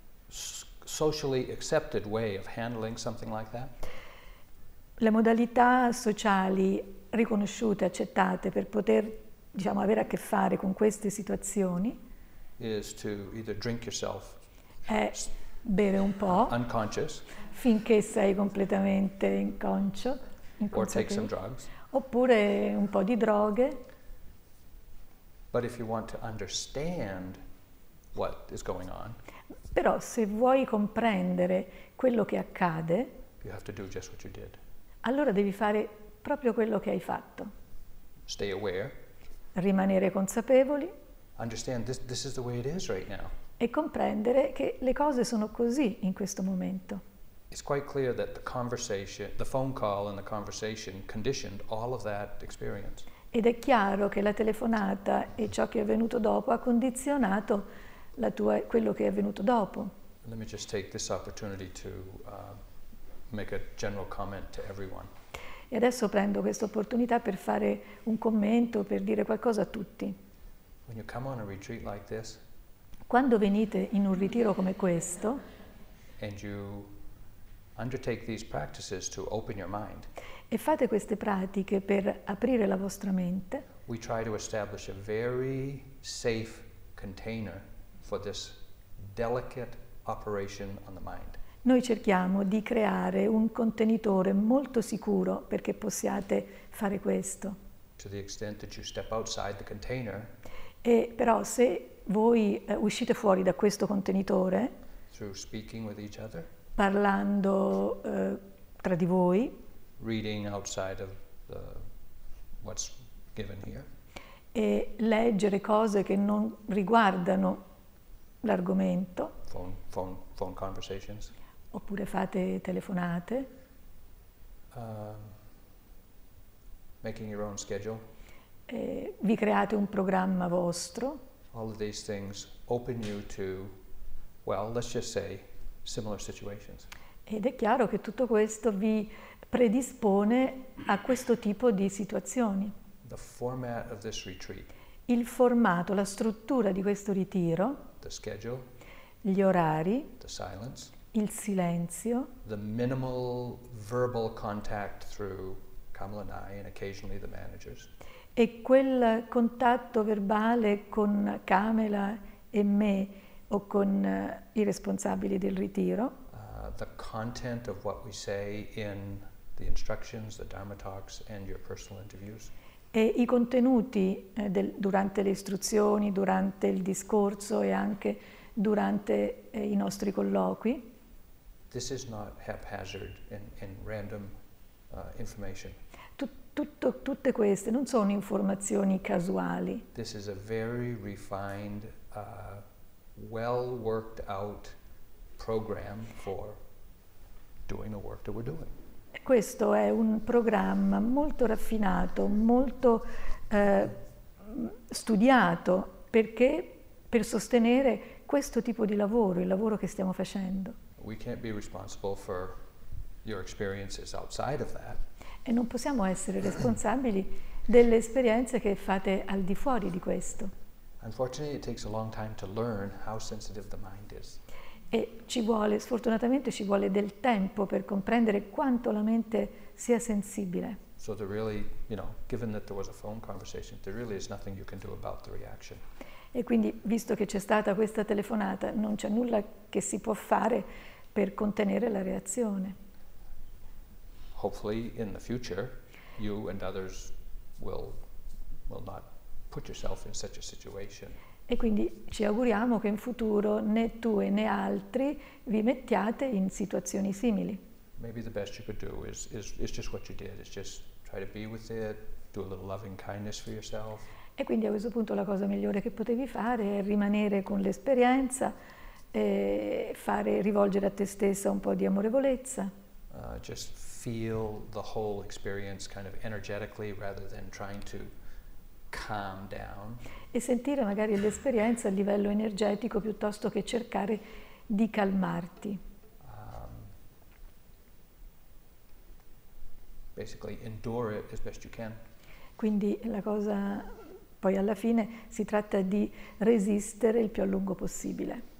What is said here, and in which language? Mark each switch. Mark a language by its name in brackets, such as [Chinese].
[English] socially accepted way of handling something like that? [Italian] Le modalità sociali riconosciute, accettate per poter, diciamo, avere a che fare con queste situazioni [English] is to either drink yourself, [Italian] è bere un po' [English] unconscious, [Italian] finché sei completamente inconscio, [English] or take some drugs, [Italian] oppure un po' di droghe. [English] But if you want to understand what is going on, [Italian] però se vuoi comprendere quello che accade, [English] you have to do just what you did. [Italian] Allora devi fare proprio quello che hai fatto. [English] Stay aware. [Italian] Rimanere consapevoli. [English] Understand this is the way it is right now. [Italian] E comprendere che le cose sono così in questo momento. [English] It's quite clear that the conversation, the phone call and the conversation conditioned all of that experience. [Italian] Ed è chiaro che la telefonata e ciò che è avvenuto dopo ha condizionato la tua, quello che è avvenuto dopo. [English] Let me just take this opportunity to make a general comment to everyone. [Italian] E adesso prendo questa opportunità per fare un commento, per dire qualcosa a tutti. [English] When you come on a retreat like this, [Italian] quando venite in un ritiro come questo, [English] and you undertake these practices to open your mind, [Italian] e fate queste pratiche per aprire la vostra mente, [English] we try to establish a very safe container for this delicate operation on the mind. [Italian] Noi cerchiamo di creare un contenitore molto sicuro perché possiate fare questo. [English] To the extent that you step outside the container, [Italian] e però se voi uscite fuori da questo contenitore, [English] through speaking with each other, [Italian] parlando tra di voi, [English] reading outside of the, what's given here, [Italian] e leggere cose che non riguardano l'argomento, [English] phone conversations, [Italian] oppure fate telefonate, [English] making your own schedule, [Italian] e vi create un programma vostro. [English] All of these things open you to, well, let's just say, similar situations. [Italian] Ed è chiaro che tutto questo vi predispone a questo tipo di situazioni. [English] The format of this retreat, [Italian] il formato, la struttura di questo ritiro, [English] the schedule, [Italian] gli orari, [English] the silence, [Italian] il silenzio, [English] the minimal verbal contact through Kamal and I and occasionally the managers, [Italian] e quel contatto verbale con Kamala e me o con i responsabili del ritiro, [English] the content of what we say in the instructions, the Dharma talks and your personal interviews, [Italian] e i contenuti durante le istruzioni, durante il discorso e anche durante i nostri colloqui. [English] This is not haphazard and random information. [Italian] Tutte queste non sono informazioni casuali. [English] This is a very refined, well worked out program for doing the work that we're doing. [Italian] Questo è un programma molto raffinato, molto studiato, perché per sostenere questo tipo di lavoro, il lavoro che stiamo facendo. [English] We can't be responsible for your experiences outside of that. [Italian] E non possiamo essere responsabili delle esperienze che fate al di fuori di questo. [English] Unfortunately, it takes a long time to learn how sensitive the mind is. [Italian] E ci vuole, sfortunatamente ci vuole del tempo per comprendere quanto la mente sia sensibile. [English] So there really, you know, given that there was a phone conversation, there really is nothing you can do about the reaction. [Italian] E quindi, visto che c'è stata questa telefonata, non c'è nulla che si può fare per contenere la reazione. [English] Hopefully in the future you and others will not put yourself in such a situation. [Italian] E quindi ci auguriamo che in futuro né tu e né altri vi mettiate in situazioni simili. [English] Maybe the best you could do is just what you did, is just try to be with it, do a little loving kindness for yourself. [Italian] E quindi a questo punto la cosa migliore che potevi fare è rimanere con l'esperienza e fare rivolgere a te stessa un po' di amorevolezza. [English] Just feel the whole experience kind of energetically rather than trying to calm down. [Italian] E sentire magari l'esperienza a livello energetico piuttosto che cercare di calmarti. [English] Basically endure it as best you can. [Italian] Quindi la cosa Poi alla fine si tratta di resistere il più a lungo possibile.